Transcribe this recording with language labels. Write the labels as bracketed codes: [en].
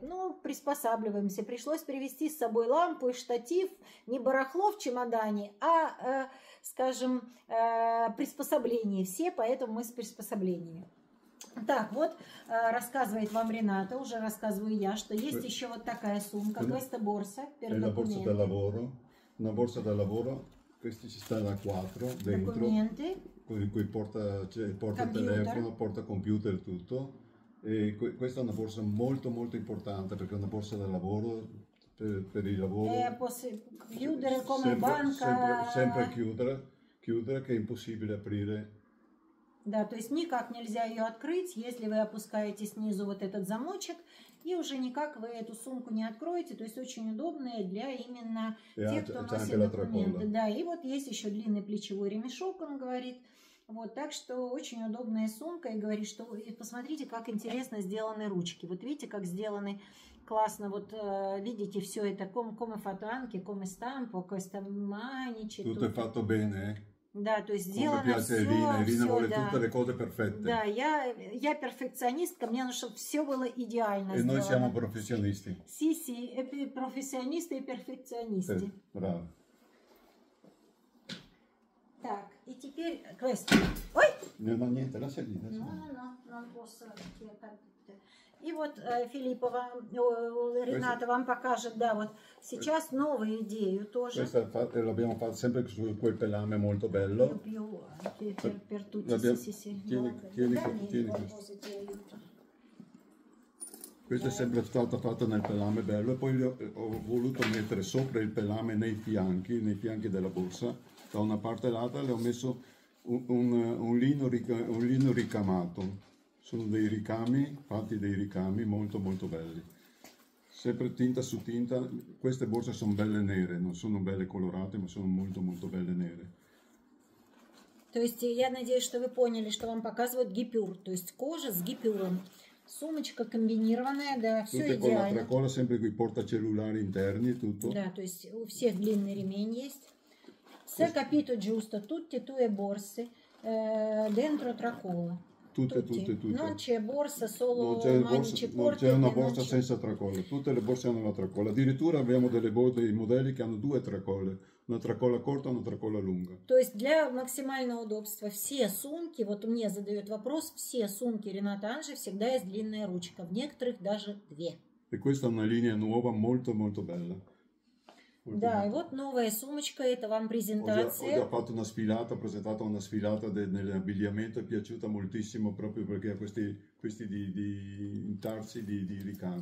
[ru] Ну, приспосабливаемся. Пришлось привезти с собой лампу и штатив. Не барахло в чемодане, а, скажем, приспособление все, поэтому мы с приспособлениями. Так, вот рассказывает вам Рената, уже рассказываю я, что есть еще вот такая сумка, [it] questa borsa, per documenti. La borsa da lavoro. La borsa da lavoro. Questi ci sta da quattro dentro. Documenti. In cui porta telefono, porta computer, tutto. E questa è una borsa molto importante, perché è una borsa da lavoro, per il lavoro. Chiudere come sempre, banca. Sempre chiudere, che è impossibile aprire. [ru] Да, то есть никак нельзя ее открыть, если вы опускаете снизу вот этот замочек, и уже никак вы эту сумку не откроете. То есть очень удобное для именно тех, кто носит документы. Да, и вот есть еще длинный плечевой ремешок, он говорит. Вот, так что очень удобная сумка. И говорит, что и посмотрите, как интересно сделаны ручки. Вот видите, как сделаны классно. Вот видите, все это [it] come fatanche, come stampo, questa manice. [ru] Tutto è fatto bene. Да, то есть сделано все, да. Да, я перфекционистка, мне нужно, чтобы все было идеально сделано. И мы [it] siamo professionisti. Sì, sì, professionisti e perfezionisti. [ru] Браво. Так, и теперь questo. Ой! [it] Не, no, niente, la sedia. No, non posso perché. [ru] И вот Филиппа вам, Рената вам покажет, да, вот сейчас новую идею тоже. [it] Questa l'abbiamo fatta sempre su quel pelame molto bello. Per tutti, sì. Questa è sempre stata fatta nel pelame bello e poi ho voluto mettere sopra il pelame nei fianchi della borsa, da una parte all'altra le ho messo un lino ricamato. Sono dei ricami, fatti dei ricami molto molto belli. Sempre tinta su tinta, queste borse sono belle nere, non sono belle colorate, ma sono molto molto belle nere. [ru] То есть я надеюсь, что вы поняли, что вам показывают гипюр, то есть кожа с гипюром. Сумочка комбинированная, да, все идеально. [it] Tutte con la tracola, sempre con i portacellulari interni, tutto. [ru] Да, то есть у всех длинный ремень есть. [it] Se capito giusto, tutte tue borse dentro tracola. Tutte. Non c'è borsa solo, non c'è borsa, non c'è una borsa senza tracolla. Tutte le borse hanno la tracolla. Addirittura abbiamo delle borse, dei modelli che hanno due tracolle, una tracolla corta e una tracolla lunga. [ru] То есть для максимального удобства все сумки, вот мне задают вопрос, все сумки Renata Ange всегда есть длинная ручка, в некоторых даже две. [it] E questa è una linea nuova molto molto bella. [ru] Да, и вот новая сумочка, это вам презентация. [it] Ho già fatto una sfilata, presentata una sfilata nell'abbigliamento, è piaciuta moltissimo proprio perché ha questi di intarsi di ricami.